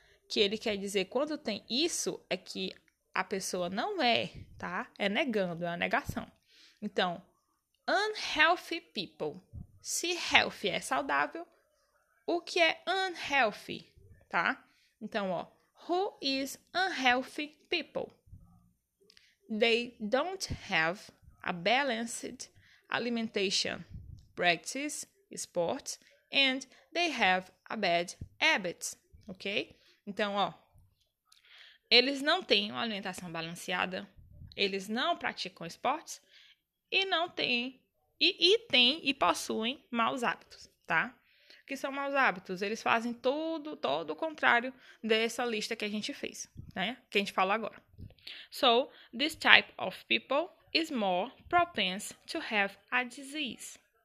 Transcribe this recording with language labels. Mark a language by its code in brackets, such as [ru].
[pt] Que ele quer dizer quando tem isso, é que a pessoa não é, tá? É negando, é uma negação. Então, [en] unhealthy people. [pt] Se healthy é saudável, o que é unhealthy, tá? Então, ó, [en] who is unhealthy people? They don't have a balanced alimentation, practice sports, and they have a bad habits, ok? [pt] Então, ó, eles não têm uma alimentação balanceada, eles não praticam esportes e não têm, e possuem maus hábitos, tá? Que são maus hábitos? Eles fazem tudo, todo o contrário dessa lista que a gente fez, né? Que a gente fala agora. [en] So, this type of people is more propense to have a disease.